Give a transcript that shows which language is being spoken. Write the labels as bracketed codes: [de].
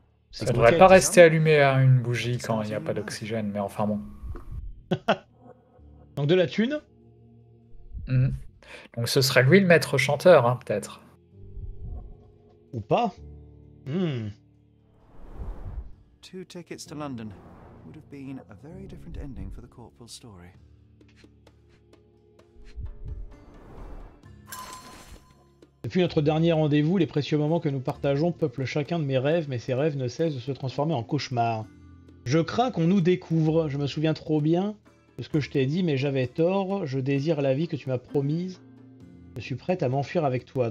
[fr] Ça devrait pas rester allumé à une bougie quand il n'y a pas d'oxygène, mais enfin bon. Donc de la thune? Donc ce serait lui le maître chanteur, hein, peut-être. Ou pas? [en] Two tickets to London would have been a very different ending for the corporal's story. [fr] Depuis notre dernier rendez-vous, les précieux moments que nous partageons peuplent chacun de mes rêves, mais ces rêves ne cessent de se transformer en cauchemars. Je crains qu'on nous découvre. Je me souviens trop bien de ce que je t'ai dit, mais j'avais tort. Je désire la vie que tu m'as promise. Je suis prête à m'enfuir avec toi.